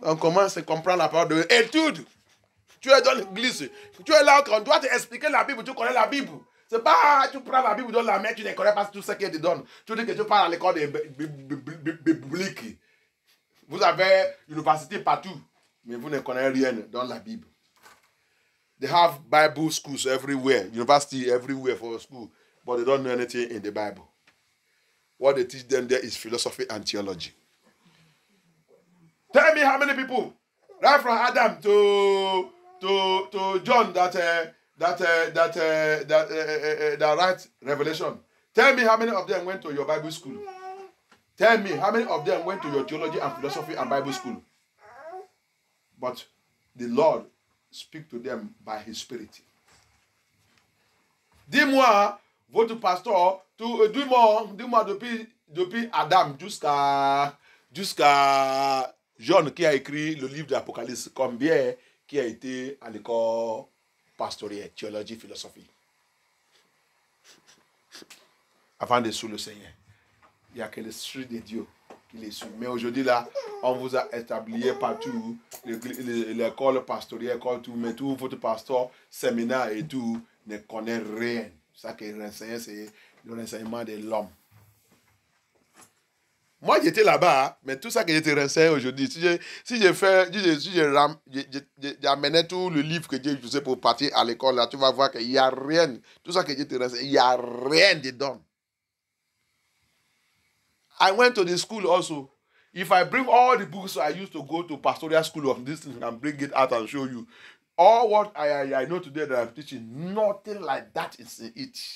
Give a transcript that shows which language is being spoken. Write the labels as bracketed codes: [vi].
[fr] on commence à comprendre la parole de Dieu. Étude. Tu es dans l'église. Tu es là, on doit t'expliquer la Bible. Tu connais la Bible. C'est pas, tu prends la Bible dans la main, tu ne connais pas tout ce qu'elle te donne. Tu dis que tu parles à l'école biblique. Vous avez l'université partout, mais vous ne connaissez rien dans la Bible. [en] They have Bible schools everywhere, university everywhere for school, but they don't know anything in the Bible. What they teach them there is philosophy and theology. Tell me how many people, right from Adam to John, that right Revelation. Tell me how many of them went to your Bible school. Tell me how many of them went to your theology and philosophy and Bible school. But the Lord speak to them by His Spirit. [fr] Dis-moi, votre pasteur, dis-moi depuis Adam jusqu'à John qui a écrit le livre de l'Apocalypse, combien qui a été à l'école pastorielle, théologie, philosophie. Avant de suivre le Seigneur, il n'y a que l'Esprit de Dieu qui les suit. Mais aujourd'hui là, on vous a établi partout l'école pastorielle, l'école tout, mais tout votre pasteur, séminaire et tout, ne connaît rien. Ça qui est renseigné, c'est le renseignement de l'homme. Moi, j'étais là-bas, mais tout ça que j'étais renseigné aujourd'hui, si j'amenais tout le livre que j'ai utilisé pour partir à l'école, là, tu vas voir qu'il n'y a rien. Tout ça que j'étais renseigné, il n'y a rien dedans. [en] I went to the school also. If I bring all the books I used to go to pastoral school of this thing and bring it out and show you, all what I know today that I'm teaching, nothing like that is in it.